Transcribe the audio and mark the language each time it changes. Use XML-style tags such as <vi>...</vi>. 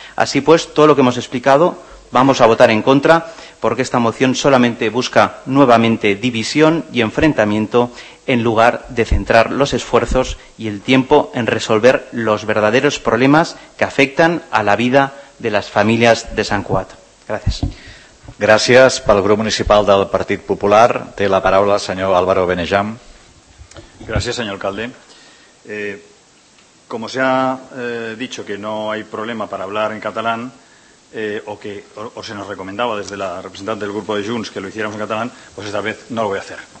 <es>Así pues, todo lo que hemos explicado, vamos a votar en contra, porque esta moción solamente busca nuevamente división y enfrentamiento en lugar de centrar los esfuerzos y el tiempo en resolver los verdaderos problemas que afectan a la vida de las familias de Sant Cugat. Gracias.</es> <ca>Gràcies. Pel grup municipal del Partit Popular té la paraula el senyor Álvaro Benejam. Gràcies, senyor alcalde.</ca> <es>Como se ha dicho que no hay problema para hablar en catalán, o se nos recomendaba desde la representante del grupo de Junts que lo hiciéramos en catalán, pues esta vez no lo voy a hacer.</es>